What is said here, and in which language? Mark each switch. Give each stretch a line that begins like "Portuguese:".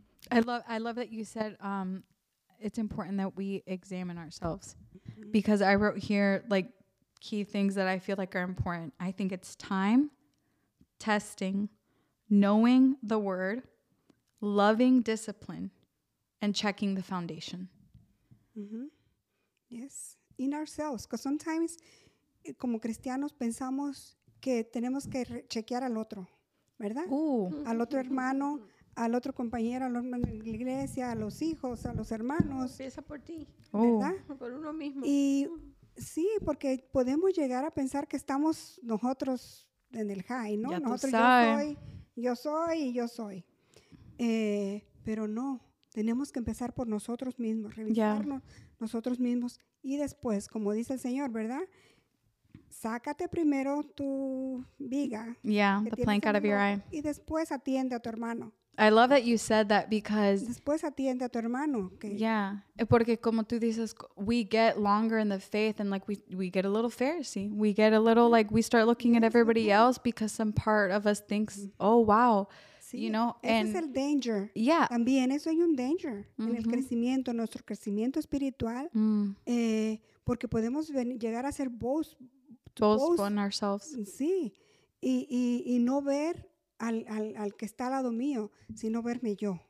English: I love that you said it's important that we examine ourselves. Because I wrote here, like, key things that I feel like are important. I think it's time, testing, knowing the word, loving discipline, and checking the foundation. Mm-hmm. Yes, in ourselves.
Spanish: Because sometimes, como cristianos, pensamos que tenemos que chequear al otro, ¿verdad? Ooh. Al otro hermano, al otro compañero, al hermano de la iglesia, a los hijos, a los hermanos. Empieza por ti, ¿verdad? Por uno mismo. Y sí, porque podemos llegar a pensar que estamos nosotros en el high, ¿no? Ya nosotros, tú sabes. Yo soy. Pero no, tenemos que empezar por nosotros mismos, revisarnos nosotros mismos. Y después, como dice el Señor, ¿verdad? Sácate primero tu viga.
English: Yeah, the plank out of your eye.
Spanish: Y después atiende a tu hermano.
English: I love that you said that because...
Spanish: Después atiende a tu hermano.
English: Yeah, porque como tú dices, we get longer in the faith and like we get a little Pharisee. We get a little like we start looking at everybody else because some part of us thinks, oh, wow,
Spanish: sí,
English: you know.
Spanish: Ese es el danger.
English: Yeah.
Spanish: También eso hay un danger en el crecimiento, nuestro crecimiento espiritual. Mm. Porque podemos llegar a ser
English: boastful in ourselves.
Spanish: Sí. Y no ver... Al que está al lado mío, sino verme yo.